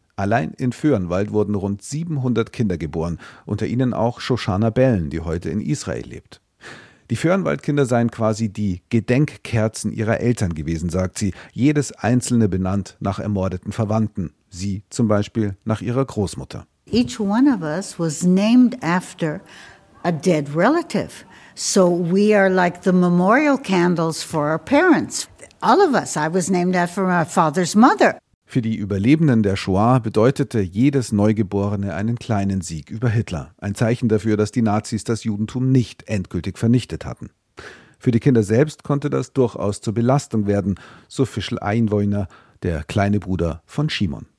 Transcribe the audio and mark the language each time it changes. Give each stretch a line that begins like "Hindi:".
German: Allein in Föhrenwald wurden rund 700 Kinder geboren, unter ihnen auch Shoshana Bellen, die heute in Israel lebt. Die Föhrenwaldkinder seien quasi die Gedenkkerzen ihrer Eltern gewesen, sagt sie. Jedes einzelne benannt nach ermordeten Verwandten. Sie zum Beispiel nach ihrer Großmutter.
English: Each one of us was named after a dead relative. So we are like the memorial candles for our parents. all of us. I was named after my father's mother.
German: Für die Überlebenden der Shoah bedeutete jedes Neugeborene einen kleinen Sieg über Hitler. Ein Zeichen dafür, dass die Nazis das Judentum nicht endgültig vernichtet hatten. Für die Kinder selbst konnte das durchaus zur Belastung werden, so Fischl Einwohner, der kleine Bruder von Shimon.